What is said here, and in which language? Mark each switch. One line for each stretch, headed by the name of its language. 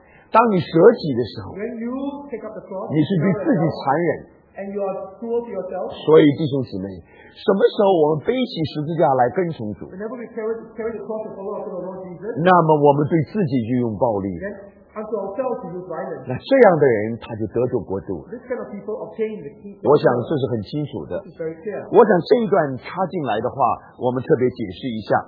Chinese: 当你舍己的时候，你是对自己残忍。
English: And you are cruel to yourself.
Chinese: 所以弟兄姊妹，什么时候我们背起十字架来跟从主？
English: Whenever we carry the cross and follow after the Lord Jesus.
Chinese: 那么我们对自己就用暴力。
English: Then unto ourselves to use violence.
Chinese: 那这样的人他就得着国度。
English: This kind of people obtain the kingdom.
Chinese: 我想这是很清楚的。
English: It's very clear.
Chinese: 我想这一段插进来的话，我们特别解释一下。